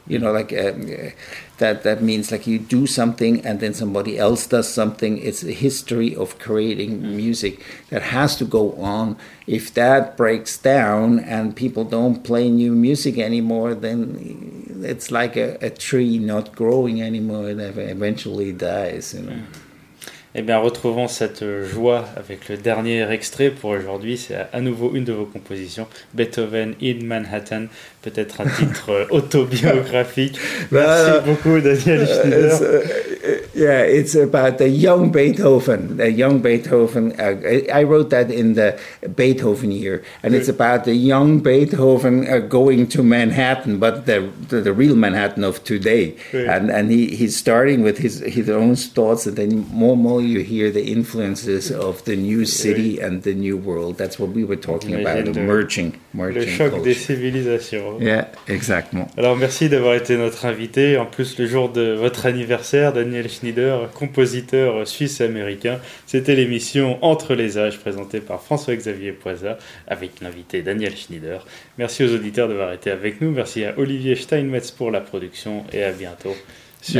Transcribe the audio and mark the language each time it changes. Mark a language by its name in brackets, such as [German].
[English] You know, like that means like you do something and then somebody else does something. It's a history of creating music that has to go on. If that breaks down and people don't play new music anymore, then it's like a tree not growing anymore and eventually dies, you know. [French] Eh bien, retrouvons cette joie avec le dernier extrait pour aujourd'hui. C'est à nouveau une de vos compositions, Beethoven in Manhattan, peut-être un titre autobiographique. Merci beaucoup, Daniel Schneider. [English] It's about the young Beethoven. The young Beethoven. I wrote that in the Beethoven year, and it's about the young Beethoven going to Manhattan, but the real Manhattan of today. Oui. And he's starting with his own thoughts, and then more you hear the influences of the new city and the new world. That's what we were talking about. Merging. [French] Le choc culture. Des civilisations. [English] Yeah, exactement. [French] Alors merci d'avoir été notre invité. En plus, le jour de votre anniversaire, Daniel Schneider, compositeur suisse-américain. C'était l'émission Entre les âges, présentée par François-Xavier Poisa, avec l'invité Daniel Schneider. Merci aux auditeurs d'avoir été avec nous. Merci à Olivier Steinmetz pour la production, et à bientôt sur